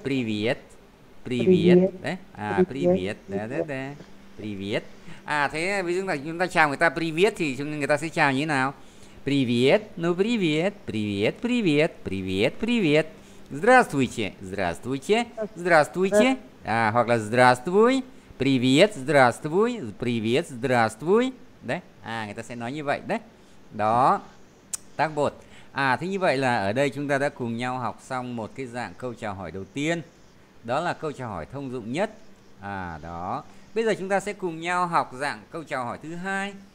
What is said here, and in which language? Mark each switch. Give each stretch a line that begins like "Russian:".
Russian: Привет. Привет. Đấy. Привет. Привет.
Vietnamese: Thế ví dụ là chúng ta chào người ta привет thì người ta sẽ chào như thế nào?
Russian: Привет. Ну привет. Привет. Привет. Привет. Привет. Здравствуйте. Здравствуйте. Здравствуйте.
Vietnamese: Hoặc là здравствуй.
Russian: Привет, здравствуй, привет, здравствуй.
Vietnamese: Đấy, người ta sẽ nói như vậy đấy. Đó, tác bột. Thế như vậy là ở đây chúng ta đã cùng nhau học xong một cái dạng câu chào hỏi đầu tiên. Đó là câu chào hỏi thông dụng nhất. Đó. Bây giờ chúng ta sẽ cùng nhau học dạng câu chào hỏi thứ hai.